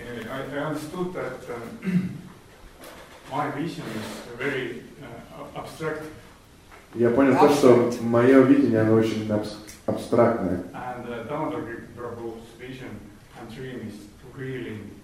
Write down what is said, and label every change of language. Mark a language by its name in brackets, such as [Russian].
[English] I understood that my vision is very abstract. [Russian] Я понял то, что мое видение, оно очень абстрактное. [English] And Dhanadhari Prabhu's vision and dream is really